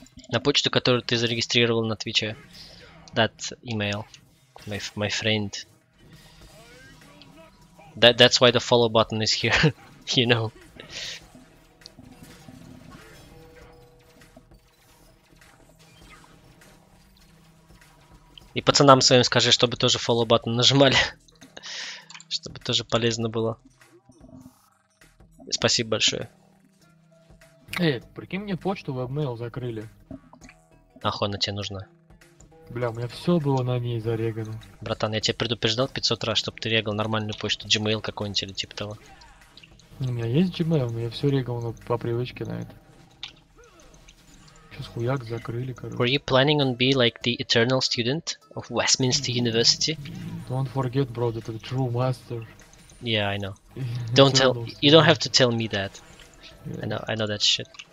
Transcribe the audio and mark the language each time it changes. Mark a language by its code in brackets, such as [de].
[ru] На почту, которую ты зарегистрировал на Твиче. [en] That email, my friend. That's why the follow button is here, you know. [ru] И пацанам своим скажи, чтобы тоже follow button нажимали. Чтобы тоже полезно было. Спасибо большое. Эй, прикинь, мне почту в email закрыли. Нахуй она тебе нужна? Бля, у меня все было на ней зарегано. Братан, я тебя предупреждал 500 раз, чтобы ты регал нормальную почту, Gmail какой-нибудь или типа того. У меня есть Gmail, но я все регал, но по привычке на это. Сейчас хуяк закрыли, короче. [en] Were you planning on be like the eternal student of Westminster University? Don't forget, bro, that the true master. Yeah, I know. Don't tell. You don't have to tell me that. Yeah. I know that shit.